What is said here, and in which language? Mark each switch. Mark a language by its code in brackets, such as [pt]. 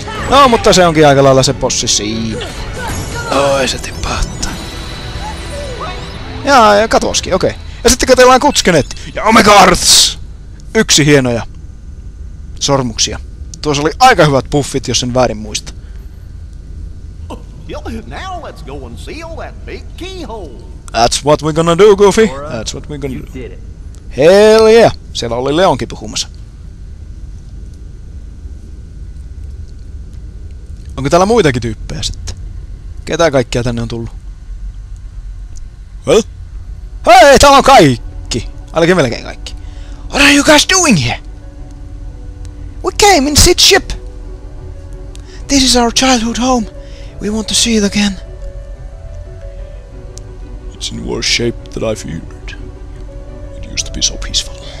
[fi] No, mutta se onkin aika lailla se bossi siinä. Oi, se tipahtaa. Jaa, ja katoski, okei. Ja sitten katsellaan Kutskenet ja Omega Arts! Yksi hienoja sormuksia. Tuossa oli aika hyvät buffit, jos en väärin muista. [en] Now let's go and seal that big keyhole. That's what we're gonna do, Goofy. That's what we're gonna do. Hell yeah! [fi] Siellä oli Leonkin puhumassa. Onko täällä muitakin tyyppejä sitten? Ketä kaikkia tänne on tullut? Well? Hei, täällä on kaikki! Ainakin melkein kaikki. [en] What are you guys doing here? We came in Sid's ship. This is our childhood home. We want to see it again. It's in worse shape than I feared. It used to be so peaceful.